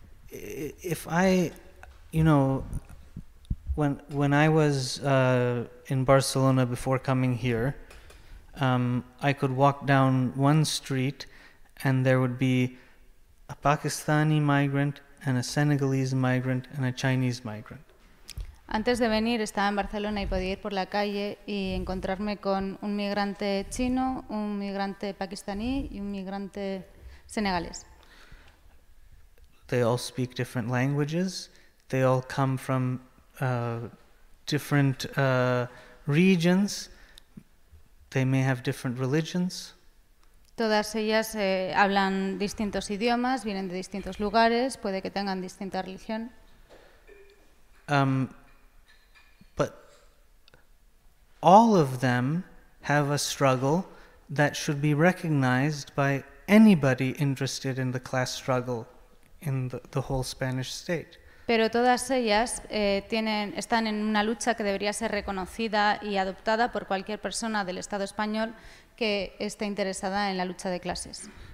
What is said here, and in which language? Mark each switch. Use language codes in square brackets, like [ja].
[en] If I, you know, when I was in Barcelona before coming here, I could walk down one street and there would be a Pakistani migrant and a Senegalese migrant and a Chinese migrant. [es] Antes de venir estaba en Barcelona y podía ir por la calle y encontrarme con un migrante chino, un migrante pakistaní y un migrante senegalés. [en] They all speak different languages. They all come from different regions. They may have different religions. [es] Todas ellas hablan distintos idiomas, vienen de distintos lugares, puede que tengan distinta religión. [en] But all of them have a struggle that should be recognized by anybody interested in the class struggle in the whole Spanish state. [es] Pero todas ellas están en una lucha que debería ser reconocida y adoptada por cualquier persona del Estado español que esté interesada en la lucha de clases.